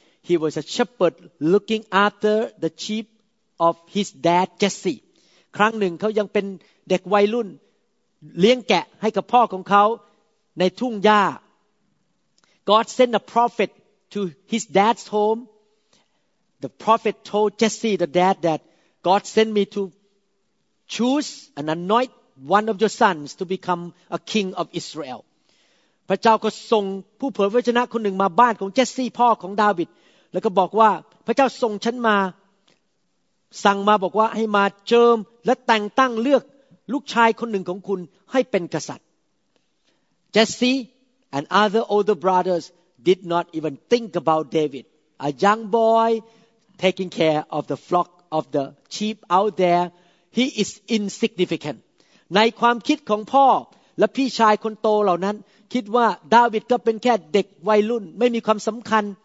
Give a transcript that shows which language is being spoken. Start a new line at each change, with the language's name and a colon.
English: He was a shepherd looking after the sheep of his dad, Jesse.
Thai: ครั้งหนึ่งเขายังเป็นเด็กวัยรุ่นเลี้ยงแกะให้กับพ่อของเขาในทุ่งหญ้า
English: God sent a prophet to his dad's home. The prophet told Jesse, the dad, that God sent me to choose and anoint one of your sons to become a king of Israel.
Thai: พระเจ้าก็ส่งผู้เผยพระชนะคนหนึ่งมาบ้านของเจสซี่พ่อของดาวิดแล้วก็บอกว่าพระเจ้าส่งฉันมาสั่งมาบอกว่าให้มาเจิมและแต่งตั้งเลือกลูกชายคนหนึ่งของคุณให้เป็นกษัตริย์
English: เจสซี่ and other older brothers did not even think about David a young boy taking care of the flock of the sheep out there he is insignificant
Thai: ในความคิดของพ่อและพี่ชายคนโตเหล่านั้นคิดว่าดาวิดก็เป็นแค่เด็กวัยรุ่นไม่มีความสำคัญ